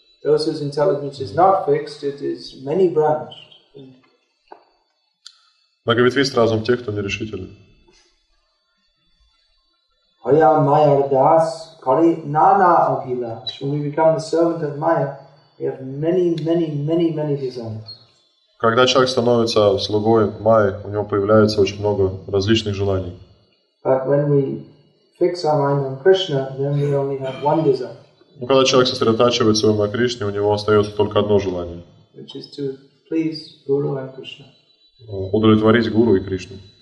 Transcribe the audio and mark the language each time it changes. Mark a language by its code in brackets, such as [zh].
[en] Those whose intelligence is not fixed, it is many branched. [ru] Многовитвист разум тех, кто нерешителен. [bn] Хая майя дас, кари нана абхилаш. [en] When we become the servant of Maya, we have many desires. [ru] Когда человек становится слугой Майи, у него появляется очень много различных желаний. [en] But when we fix our mind on Krishna, then we only have one desire. [ru] Но когда человек сосредотачивает свой ум на Кришне, у него остается только одно желание. [en] Which is to please Guru and Krishna. [ru] Удовлетворить Гуру и Кришну.